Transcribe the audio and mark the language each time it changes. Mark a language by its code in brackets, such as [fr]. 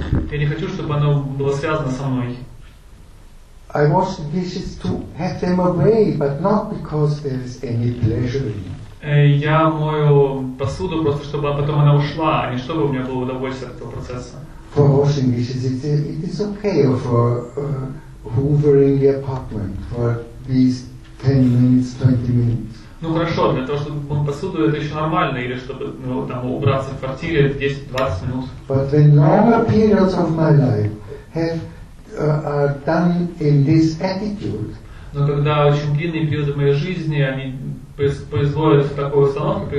[ru] Я не хочу, чтобы оно было связано со мной. [en] I want wishes to have them away, but not because there is any pleasure in it. [ru] Я мою посуду просто, чтобы потом она ушла, а не чтобы у меня было удовольствие от этого процесса. [en] For washing dishes, it is okay. Or for hoovering the apartment for these 10 minutes, 20 minutes. [ru] Ну хорошо, для того, чтобы мыть посуду, это еще нормально, или чтобы там убраться в квартире 10-20 минут. [en] But when longer periods of my life are done in this attitude. [ru] Но когда очень длинные периоды моей жизни, они производят в такой установке,